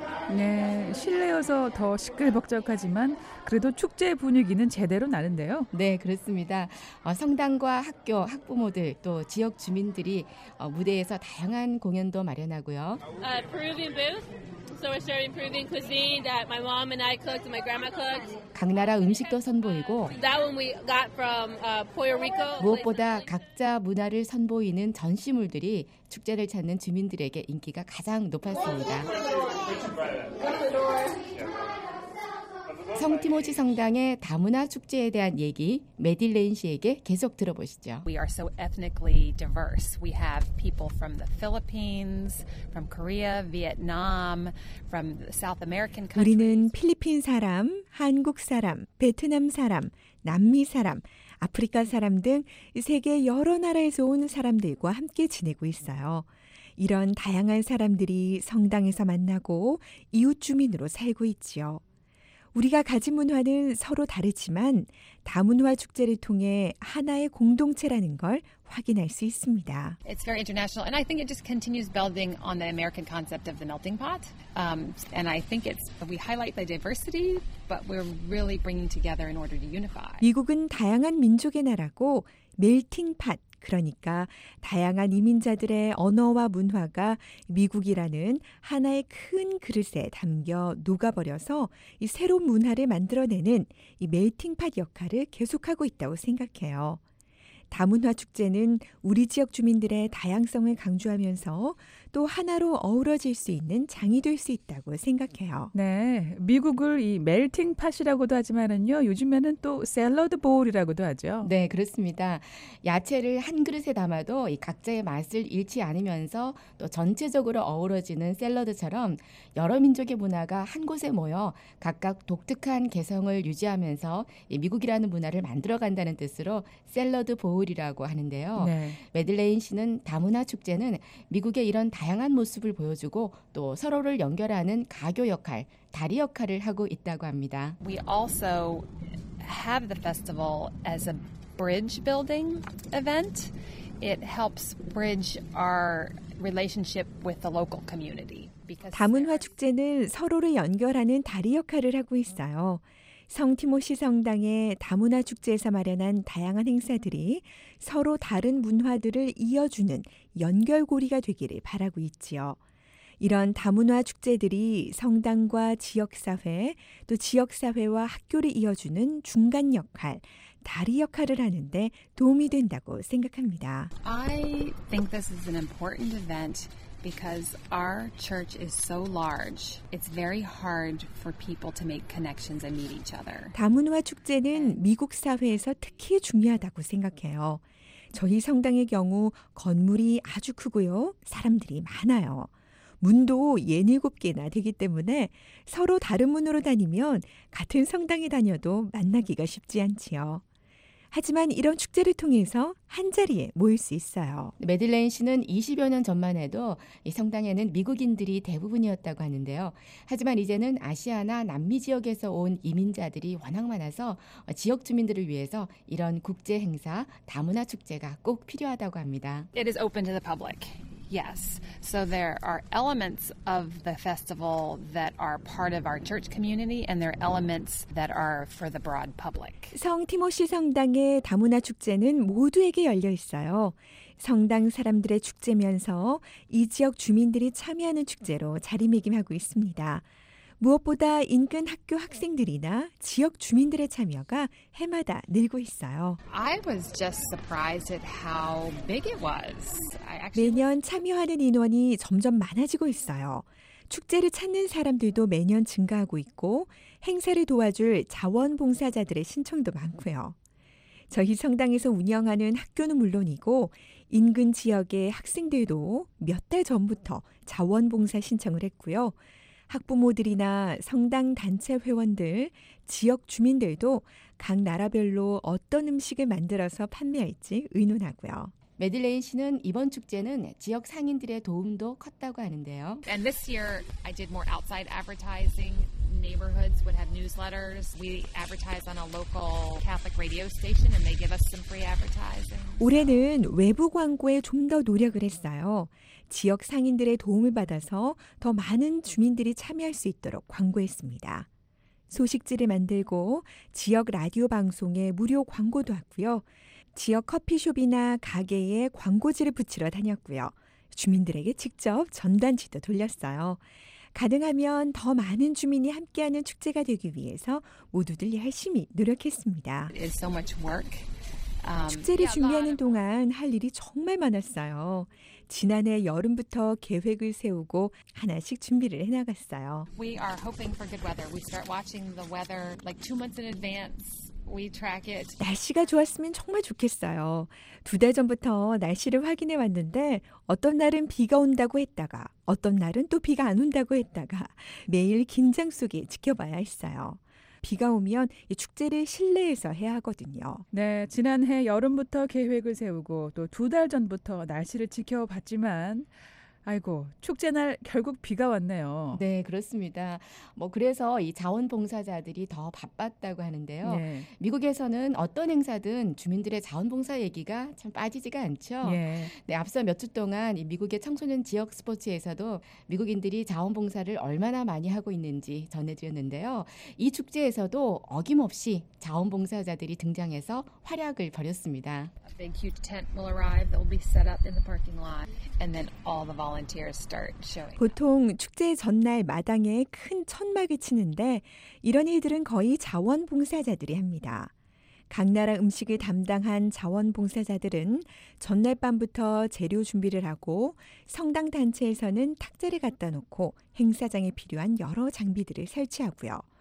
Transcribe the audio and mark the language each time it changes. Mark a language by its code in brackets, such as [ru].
[ko] 네, 실내여서 더 시끌벅적하지만 그래도 축제 분위기는 제대로 나는데요. 네, 그렇습니다. 성당과 학교, 학부모들 또 지역 주민들이 무대에서 다양한 공연도 마련하고요. [en] Peruvian booth. So we're sharing Peruvian cuisine that my mom and I cooked and my grandma cooked. [ko] 각 나라 음식도 선보이고 [en] that one we got from Puerto Rico. [ko] 무엇보다 각자 문화를 선보이는 전시물들이 축제를 찾는 주민들에게 인기가 가장 높았습니다. 성 티모시 성당의 다문화 축제에 대한 얘기 매들레인 씨에게 계속 들어보시죠. [en] We are so ethnically diverse. We have people from the Philippines, from Korea, Vietnam, from South American countries. [ko] 우리는 필리핀 사람, 한국 사람, 베트남 사람, 남미 사람, 아프리카 사람 등 세계 여러 나라에서 온 사람들과 함께 지내고 있어요. 이런 다양한 사람들이 성당에서 만나고 이웃 주민으로 살고 있지요. 우리가 가진 문화는 서로 다르지만 다문화 축제를 통해 하나의 공동체라는 걸 확인할 수 있습니다. [en] It's very international and I think it just continues building on the American concept of the melting pot. And I think it's we highlight the diversity but we're really bringing together in order to unify. [ko] 미국은 다양한 민족의 나라고 멜팅 팟 그러니까 다양한 이민자들의 언어와 문화가 미국이라는 하나의 큰 그릇에 담겨 녹아버려서 이 새로운 문화를 만들어내는 이 멜팅팟 역할을 계속하고 있다고 생각해요. 다문화 축제는 우리 지역 주민들의 다양성을 강조하면서 또 하나로 어우러질 수 있는 장이 될 수 있다고 생각해요. 네, 미국을 이 멜팅팟이라고도 하지만은요, 요즘에는 또 샐러드 볼이라고도 하죠. 네, 그렇습니다. 야채를 한 그릇에 담아도 이 각자의 맛을 잃지 않으면서 또 전체적으로 어우러지는 샐러드처럼 여러 민족의 문화가 한 곳에 모여 각각 독특한 개성을 유지하면서 이 미국이라는 문화를 만들어간다는 뜻으로 샐러드 보울이라고 하는데요. 네. 메들레인 씨는 다문화 축제는 미국의 이런 다양한 모습을 보여주고 또 서로를 연결하는 가교 역할, 다리 역할을 하고 있다고 합니다. [en] We also have the festival as a bridge building event. It helps bridge our relationship with the local community. [ko] 다문화 축제는 서로를 연결하는 다리 역할을 하고 있어요. 성 티모시 성당의 다문화 축제에서 마련한 다양한 행사들이 서로 다른 문화들을 이어주는 연결고리가 되기를 바라고 있지요. 이런 다문화 축제들이 성당과 지역사회, 또 지역사회와 학교를 이어주는 중간 역할, 다리 역할을 하는데 도움이 된다고 생각합니다. [en] I think this is an important event. Because our church is so large, it's very hard for people to make connections and meet each other. [ko] 다문화 축제는 미국 사회에서 특히 중요하다고 생각해요. 저희 성당의 경우 건물이 아주 크고요. 사람들이 많아요. 문도 67개나 되기 때문에 서로 다른 문으로 다니면 같은 성당에 다녀도 만나기가 쉽지 않지요. 하지만 이런 축제를 통해서 한자리에 모일 수 있어요. 메들레인 씨는 20여 년 전만 해도 이 성당에는 미국인들이 대부분이었다고 하는데요. 하지만 이제는 아시아나 남미 지역에서 온 이민자들이 워낙 많아서 지역 주민들을 위해서 이런 국제 행사, 다문화 축제가 꼭 필요하다고 합니다. [en] It is open to the public. Yes. So there are elements of the festival that are part of our church community and there are elements that are for the broad public. [ko] 성 티모시 성당의 다문화 축제는 모두에게 열려 있어요. 성당 사람들의 축제면서 이 지역 주민들이 참여하는 축제로 자리매김하고 있습니다. 무엇보다 인근 학교 학생들이나 지역 주민들의 참여가 해마다 늘고 있어요. [en] I was just surprised at how big it was. [ko] 매년 참여하는 인원이 점점 많아지고 있어요. 축제를 찾는 사람들도 매년 증가하고 있고 행사를 도와줄 자원봉사자들의 신청도 많고요. 저희 성당에서 운영하는 학교는 물론이고 인근 지역의 학생들도 몇 달 전부터 자원봉사 신청을 했고요. 학부모들이나 성당 단체 회원들, 지역 주민들도 각 나라별로 어떤 음식을 만들어서 판매할지 의논하고요. 메들레인 씨는 이번 축제는 지역 상인들의 도움도 컸다고 하는데요. [en] And this year I did more outside advertising. Neighborhoods would have newsletters. We advertise on a local Catholic radio station and they give us some free advertising. [ko] 올해는 외부 광고에 좀 더 노력을 했어요. 지역 상인들의 도움을 받아서 더 많은 주민들이 참여할 수 있도록 광고했습니다. 소식지를 만들고 지역 라디오 방송에 무료 광고도 하고요. 지역 커피숍이나 가게에 광고지를 붙이러 다녔고요. 주민들에게 직접 전단지도 돌렸어요. 가능하면 더 많은 주민이 함께하는 축제가 되기 위해서 모두들 열심히 노력했습니다. 축제를 준비하는 동안 할 일이 정말 많았어요. 지난해 여름부터 계획을 세우고 하나씩 준비를 해나갔어요. [en] We are hoping for good weather. We start watching the weather like 2 months in advance. We track it. [ko] 날씨가 좋았으면 정말 좋겠어요. 두 달 전부터 날씨를 확인해 왔는데 어떤 날은 비가 온다고 했다가 어떤 날은 또 비가 안 온다고 했다가 매일 긴장 속에 지켜봐야 했어요. 비가 오면 이 축제를 실내에서 해야 하거든요. 네, 지난해 여름부터 계획을 세우고 또 두 달 전부터 날씨를 지켜봤지만 아이고, 축제날 결국 비가 왔네요. 네, 그렇습니다. 뭐 그래서 이 자원봉사자들이 더 바빴다고 하는데요. 네. 미국에서는 어떤 행사든 주민들의 자원봉사 얘기가 참 빠지지가 않죠. 네. 네, 앞서 몇 주 동안 이 미국의 청소년 지역 스포츠에서도 미국인들이 자원봉사를 얼마나 많이 하고 있는지 전해드렸는데요. 이 축제에서도 어김없이 자원봉사자들이 등장해서 활약을 벌였습니다. [en] A big huge tent will arrive that will be set up in the parking lot and then all the volunteers start showing. [ko] 보통 축제 전날 마당에 큰 천막을 치는데 이런 일들은 거의 자원봉사자들이 합니다. 각 나라 음식을 담당한 자원봉사자들은 전날 밤부터 재료 준비를 하고 성당 단체에서는 탁자를 갖다 놓고 행사장에 필요한 여러 장비들을 설치하고요.